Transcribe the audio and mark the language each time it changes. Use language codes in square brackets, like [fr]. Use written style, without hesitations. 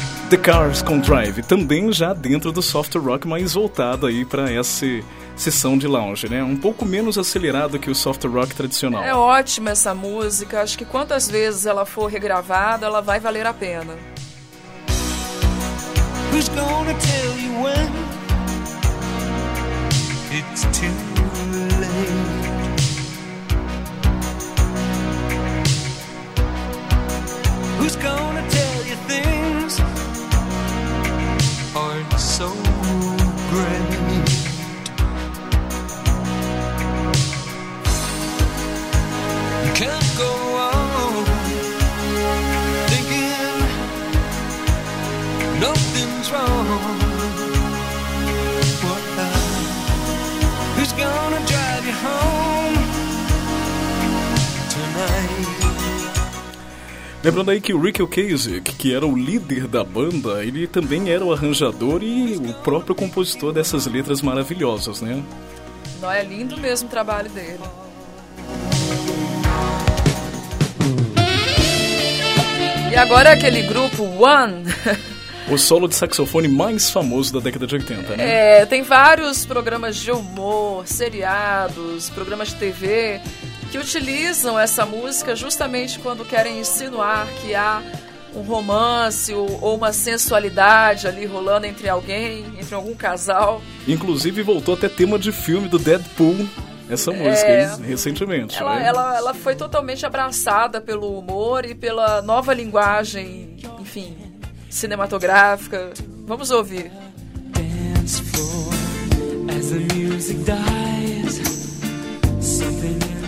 [pt] The Cars com Drive, também já dentro do soft rock, mais voltado aí para essa sessão de lounge, né? Um pouco menos acelerado que o soft rock tradicional. É ótima essa música, acho que quantas vezes ela for regravada, ela vai valer a pena. [en] Who's gonna tell you when it's too late? Who's gonna tell you things aren't so great? You can't go on thinking nothing's wrong. What now? Who's gonna drive you home tonight? [pt] Lembrando aí que o Rick Ocasek, que era o líder da banda, ele também era o arranjador e o próprio compositor dessas letras maravilhosas, né? Não é lindo mesmo o trabalho dele. E agora é aquele grupo One. O solo de saxofone mais famoso da década de 80, né? É, tem vários programas de humor, seriados, programas de TV que utilizam essa música justamente quando querem insinuar que há um romance ou uma sensualidade ali rolando entre alguém, entre algum casal. Inclusive voltou até tema de filme do Deadpool, essa música, hein? Recentemente. Ela foi totalmente abraçada pelo humor e pela nova linguagem, enfim, cinematográfica. Vamos ouvir. [en] Dance floor, as the music dies, something.